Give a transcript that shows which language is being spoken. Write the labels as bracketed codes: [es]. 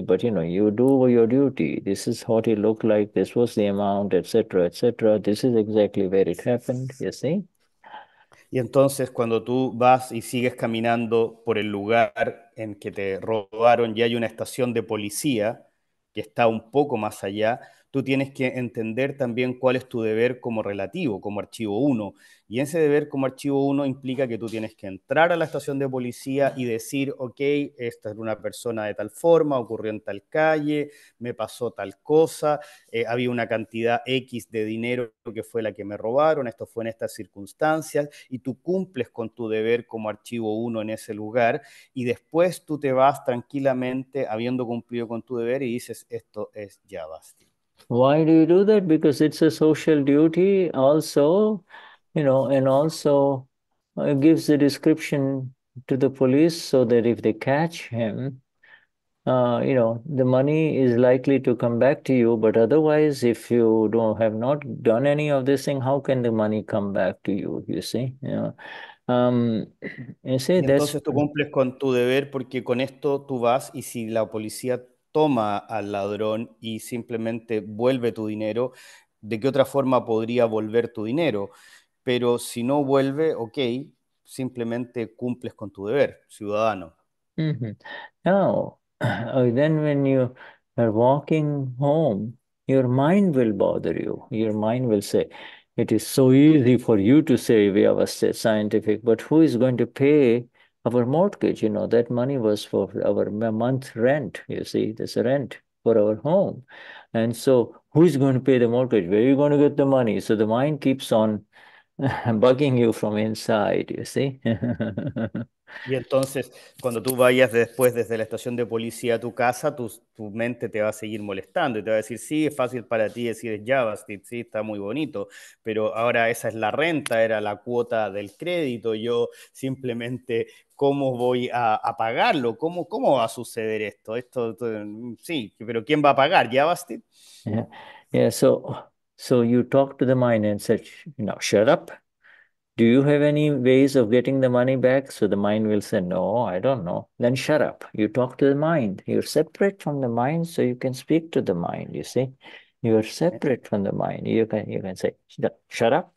[en] But you do your duty. This is what it looked like. This was the amount, etc., etc. This is exactly where it happened, you see. [es] Y entonces, cuando tú vas y sigues caminando por el lugar en que te robaron y hay una estación de policía que está un poco más allá, tú tienes que entender también cuál es tu deber como relativo, como archivo 1. Y ese deber como archivo 1 implica que tú tienes que entrar a la estación de policía y decir, ok, esta es una persona de tal forma, ocurrió en tal calle, me pasó tal cosa, había una cantidad X de dinero que fue la que me robaron, esto fue en estas circunstancias, y tú cumples con tu deber como archivo 1 en ese lugar, y después tú te vas tranquilamente habiendo cumplido con tu deber y dices, esto es ya basta. [en] Why do you do that? Because it's a social duty also, and also it gives the description to the police so that if they catch him, the money is likely to come back to you. But otherwise, if you don't have not done any of this thing, how can the money come back to you? You see? You see, [es] Y [en] that's [es] entonces tú cumples con tu deber porque con esto tú vas y si la policía toma al ladrón y simplemente vuelve tu dinero, ¿de qué otra forma podría volver tu dinero? Pero si no vuelve, ok, simplemente cumples con tu deber, ciudadano. [en] Now, then when you are walking home, your mind will bother you. Your mind will say, it is so easy for you to say we have a scientific, but who is going to pay our mortgage? That money was for our month rent, you see, this rent for our home. And so who is going to pay the mortgage? Where are you going to get the money? So the mind keeps on bugging you from inside, you see. [es] Y entonces, cuando tú vayas después desde la estación de policía a tu casa, tu mente te va a seguir molestando y te va a decir, sí, es fácil para ti decir JavaScript, sí, está muy bonito, pero ahora esa es la renta, era la cuota del crédito, yo simplemente, ¿cómo voy a pagarlo? ¿Cómo va a suceder esto? Sí, pero ¿quién va a pagar JavaScript? [en] So you talk to the mind and say, now shut up. Do you have any ways of getting the money back? So the mind will say, no, I don't know. Then shut up. You talk to the mind. You're separate from the mind, so you can speak to the mind, you see. You're separate from the mind. You can say, shut up.